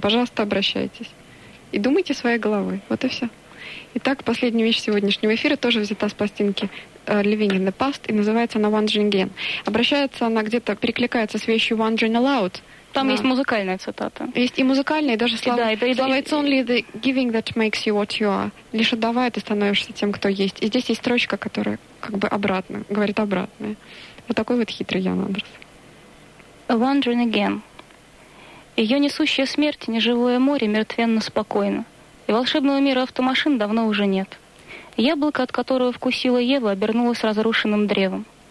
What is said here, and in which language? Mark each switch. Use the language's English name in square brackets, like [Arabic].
[Russian] Пожалуйста, обращайтесь. И думайте своей головой. Вот и все. Итак, последняя вещь сегодняшнего эфира тоже взята с пластинки Living in the Past. И называется она Wondering Again. Обращается она где-то, перекликается с вещью Wondering Aloud. Там есть музыкальная цитата. Есть и музыкальная, и даже слова. Слова [English] «It's only the giving that makes you what you are». [Russian] Лишь отдавая, ты становишься тем, кто есть. И здесь есть строчка, которая как бы обратно, говорит обратное. Вот такой вот хитрый Ян Андерс. [English] «Wandering again. [Russian] Ее несущая смерть, неживое море, мертвенно спокойно. И волшебного мира автомашин давно уже нет. Яблоко, от которого вкусила Ева, обернулось разрушенным древом.